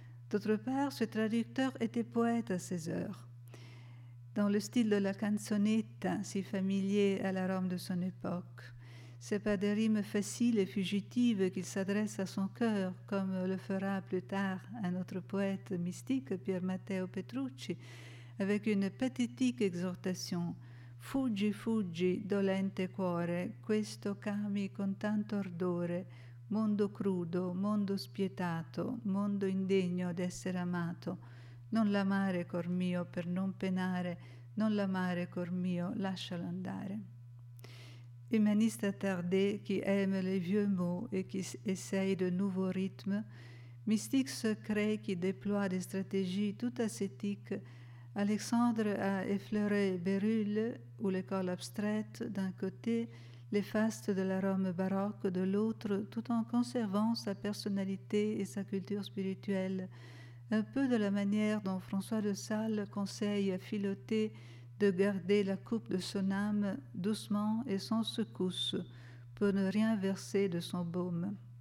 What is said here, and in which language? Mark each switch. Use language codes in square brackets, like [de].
[fr] D'autre part, ce traducteur était poète à 16 heures. Dans le style de la canzonetta, si familier à la Rome de son époque, c'est par des rimes faciles et fugitives qu'il s'adresse à son cœur, comme le fera plus tard un autre poète mystique, Pier Matteo Petrucci, avec une pathétique exhortation. [it] Fuggi, fuggi, dolente cuore, questo cami con tanto ardore, mondo crudo, mondo spietato, mondo indegno d'essere amato. Non l'amare, cor mio, per non penare, non l'amare, cor mio, lascialo andare. [fr] Humaniste attardé qui aime les vieux mots et qui essaye de nouveaux rythmes, mystique secret qui déploie des stratégies tout ascétiques, Alexandre a effleuré Berulle ou l'école abstraite d'un côté, les fastes de la Rome baroque de l'autre, tout en conservant sa personnalité et sa culture spirituelle, un peu de la manière dont François de Sales conseille à Philothée de garder la coupe de son âme doucement et sans secousse pour ne rien verser de son baume.